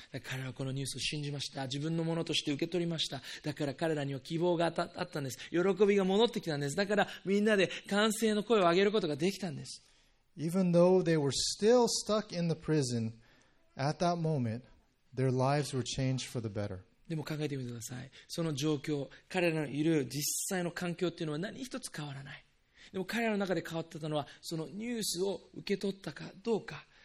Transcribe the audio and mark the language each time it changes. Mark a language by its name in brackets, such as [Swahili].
[Japanese] だから彼らはこのニュースを信じました。自分のものとして受け取りました。だから彼らには希望があったんです。喜びが戻ってきたんです。だからみんなで歓声の声を上げることができたんです。 [English] Even though they were still stuck in the prison, at that moment, their lives were changed for the better. [Japanese] でも考えてみてください。その状況、彼らのいる実際の環境っていうのは何一つ変わらない。でも彼らの中で変わったのは、そのニュースを受け取ったかどうか。